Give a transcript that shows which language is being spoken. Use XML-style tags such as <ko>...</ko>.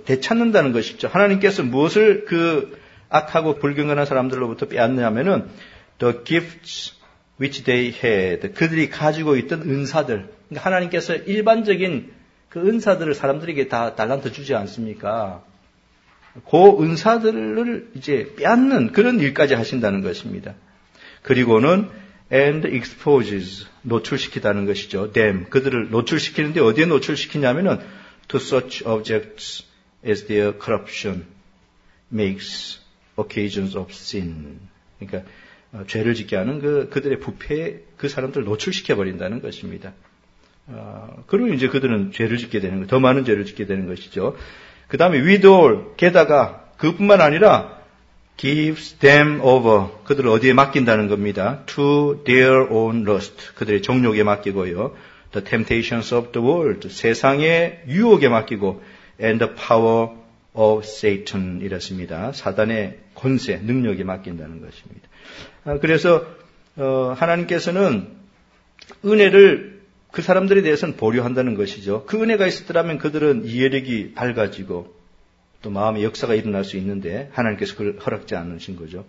<ko>되찾는다는 것이죠. 하나님께서 무엇을 그 악하고 불경건한 사람들로부터 빼앗냐면은</ko> <en>the gifts which they had</en> <ko>그들이 가지고 있던 은사들 그러니까 하나님께서 일반적인 그 은사들을 사람들에게 다 달란트 주지 않습니까? 그 은사들을 이제 빼앗는 그런 일까지 하신다는 것입니다. 그리고는</ko> <en>and exposes</en> <ko>노출시키다는 것이죠.</ko> <en>them</en> <ko>그들을 노출시키는데 어디에 노출시키냐면은</ko> <en>to such objects as their corruption makes occasions of sin.</en> <ko>그러니까 죄를 짓게 하는 그들의 부패 그 사람들을 노출시켜 버린다는 것입니다. 그러면 이제 그들은 죄를 짓게 되는 거, 더 많은 죄를 짓게 되는 것이죠. 그 다음에</ko> <en>with all</en> <ko>게다가 그뿐만 아니라</ko> <en>gives them over</en> <ko>그들을 어디에 맡긴다는 겁니다.</ko> <en>to their own lust</en> <ko>그들의 정욕에 맡기고요.</ko> <en>the temptations of the world</en> <ko>세상의 유혹에 맡기고</ko> <en>and the power of Satan</en> <ko>이랬습니다. 사단의 권세, 능력에 맡긴다는 것입니다. 그래서 하나님께서는 은혜를 그 사람들에 대해서는 보류한다는 것이죠. 그 은혜가 있었더라면 그들은 이해력이 밝아지고 또 마음의 역사가 일어날 수 있는데 하나님께서 그걸 허락지 않으신 거죠.</ko>